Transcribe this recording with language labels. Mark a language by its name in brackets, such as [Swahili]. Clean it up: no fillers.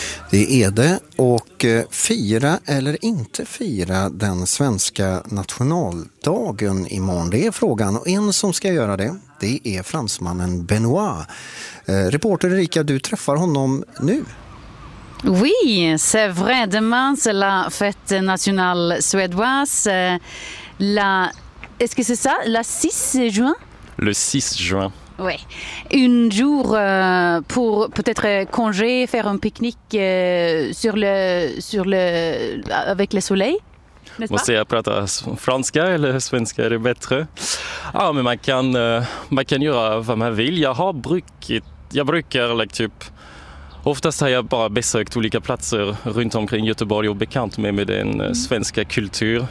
[Swedish] Det är det, och fira eller inte fira den svenska nationaldagen imorgon, det är frågan. Och en som ska göra det, det är fransmannen Benoît. Reporter Erika, du träffar honom nu. [French] Oui, c'est vrai, demain c'est la fête nationale suédoise. Est-ce que c'est ça, la 6 juin? Le 6 juin. Oui, un jour pour peut-être congé, faire un pique-nique sur le avec le soleil. [Swedish] Måste jag prata franska eller svenska, är det bättre? Ja, men man kan göra vad man vill. Jag brukar oftast har jag bara besökt olika platser runt omkring Göteborg och bekant mig med den svenska kultur.